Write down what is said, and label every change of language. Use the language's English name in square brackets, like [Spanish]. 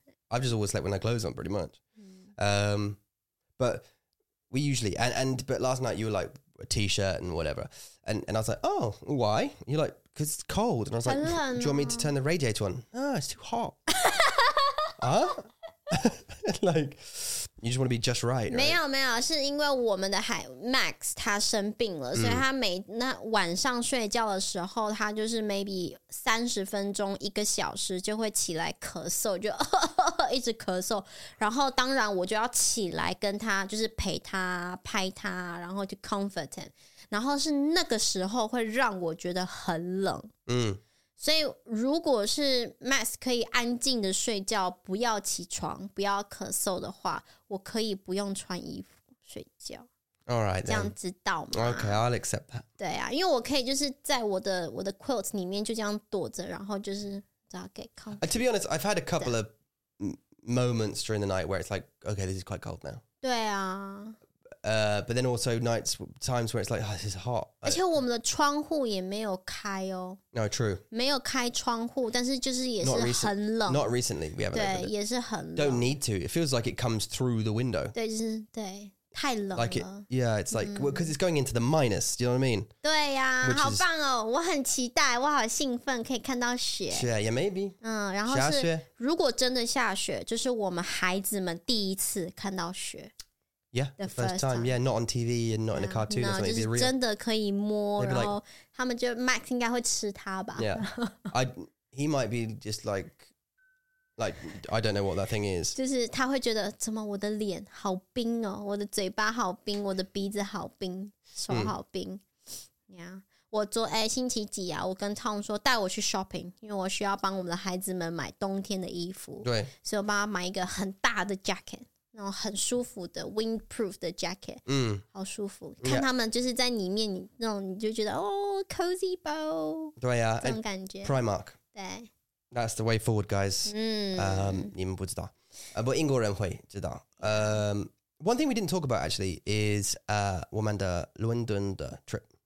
[English] I've just always slept with no clothes on, pretty much. But... We usually, but last night you were like a t-shirt and whatever. And I was like, oh, why? You're like, because it's cold. And I was like, do you want me to turn the radiator on? No, oh, it's too hot. like, you just want to be just right. [Chinese] 没有没有，是因为我们的海 Max 他生病了，所以他每那晚上睡觉的时候，他就是 maybe 30分钟一个小时就会起来咳嗽，就一直咳嗽。然后当然我就要起来跟他，就是陪他拍他，然后去 [English] comfort him。 [Chinese] 然后是那个时候会让我觉得很冷。所以如果是 Max 可以安静的睡觉，不要起床，不要咳嗽的话，我可以不用穿衣服睡觉。 [English] All right, [Chinese] 这样知道吗？ [English] OK, I'll accept that. [Chinese] 对啊，因为我可以就是在我的 quilt 里面就这样躲着，然后就是找给 comfort。 [English] To be honest, I've had a couple of moments during the night where it's like, okay, this is quite cold now. [Chinese] 对啊。 [English] But then also nights, times where it's like, oh, this is hot. [Chinese] 而且我们的窗户也没有开哦。 [English] No, true. [Chinese] 没有开窗户，但是就是也是很冷。 [English] Not recently, we haven't [Chinese] 对, [English] opened it. [Chinese] 也是很冷。 [English] Don't need to. It feels like it comes through the window. [Chinese] 对, 就是对。太冷了。 [English] Like it, yeah, it's like, because well, it's going into the minus, do you know what I mean? [Chinese] 对啊, 好棒哦, 我很期待, 我好兴奋, 可以看到雪。 [English] Yeah, yeah, maybe. [Chinese] 然后是,如果真的下雪, 就是我们孩子们第一次看到雪。 [English] Yeah, the first time. Yeah, not on TV and not in a cartoon. No, or something. [Chinese] Just 真的可以摸，然后他们就 Max 应该会吃他吧。 [English] Yeah, he might be just like I don't know what that thing is. [Chinese] 就是他会觉得怎么我的脸好冰哦，我的嘴巴好冰，我的鼻子好冰，手好冰。 Yeah, 我昨哎星期几啊？我跟 Tom 说带我去 shopping， 因为我需要帮我们的孩子们买冬天的衣服。对，所以我帮他买一个很大的 jacket。那种很舒服的 windproof 的 jacket， 好舒服。看他们就是在里面，那种你就觉得哦 ，cozy bow，对呀，这种感觉。 [English] Primark， [Chinese] 对 [English] ，That's the way forward, guys。 [Chinese] 你们不知道，不过英国人会知道。 [English] One thing we didn't talk about actually is [Chinese] 我们的伦敦的 [English] trip。